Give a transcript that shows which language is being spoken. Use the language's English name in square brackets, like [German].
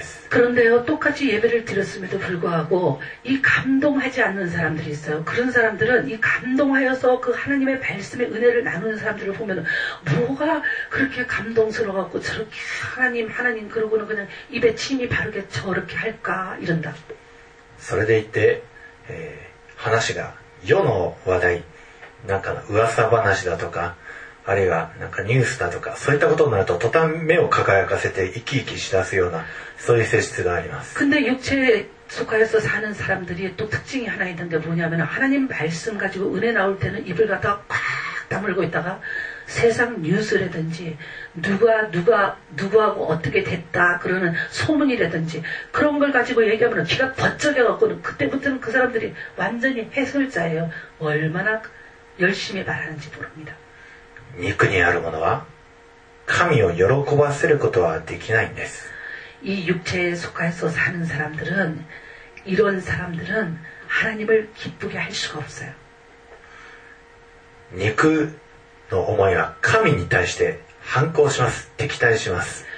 [Korean] 그런데요, 똑같이 예배를 드렸음에도 불구하고 이 감동하지 않는 사람들이 있어요. 그런 사람들은 이 감동하여서 그 하나님의 말씀의 은혜를 나누는 사람들을 보면 뭐가 그렇게 감동스러워갖고 저렇게 하나님 그러고는 그냥 입에 침이 바르게 저렇게 할까 이런다. [Japanese] それでいて話が世の話題なんか噂話だとか あるいはなんかニュースだとかそういったことになると途端目を輝かせて生き生きしだすようなそういう性質があります。 [Korean] 근데 육체에 속하여서 사는 사람들이 또 특징이 하나 있는데 뭐냐면 하나님 말씀 가지고 은혜 나올 때는 입을 갖다 꽉 다물고 있다가 세상 뉴스라든지 누구하고 어떻게 됐다 그러는 소문이라든지 그런 걸 가지고 얘기하면 귀가 번쩍여갖고는 그때부터는 그 사람들이 완전히 해설자예요. 얼마나 열심히 말하는지 모릅니다. [Japanese] 肉にあるものは神を喜ばせることはできないんです。 [Korean] 이육체에속하여서사는사람들은이런사람들은하나님을기쁘게할수가없어요。 [Japanese] 肉の思いは神に対して反抗します、敵対します。